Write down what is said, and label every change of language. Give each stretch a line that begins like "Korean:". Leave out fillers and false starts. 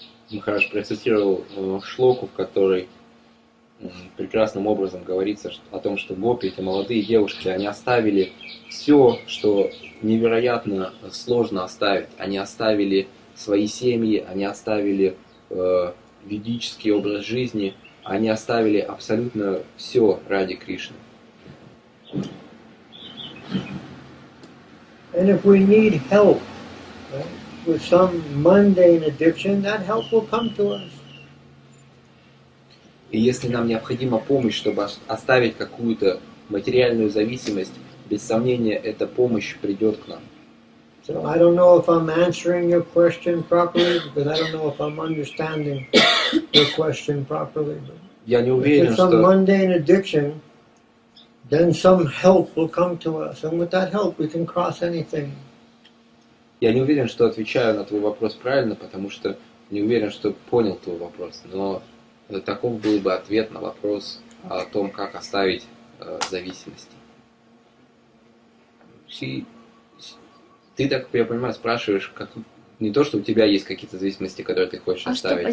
Russian: Махарадж процитировал шлоку, в которой прекрасным образом говорится о том, что гопи, эти молодые девушки, они оставили все, что невероятно сложно оставить. Они оставили свои семьи, они оставили ведический образ жизни, они оставили абсолютно все ради Кришны.
English: And if we need help, right, with some mundane addiction, that help will come to us.
Russian: И если нам необходима помощь, чтобы оставить какую-то материальную зависимость, без сомнения, эта помощь придет к нам.
English: So I don't know if I'm answering your question properly, because I don't know if I'm understanding your question properly.
Russian: Я не уверен, что...
English: If it's a mundane addiction, then some help will come to us. And with that help, we can cross anything.
Russian: Я не уверен, что отвечаю на твой вопрос правильно, потому что не уверен, что понял твой вопрос. Но таков был бы ответ на вопрос о том, как оставить зависимости. Ты так, я понимаю, спрашиваешь, как, не то, что у тебя есть какие-то зависимости, которые ты хочешь оставить,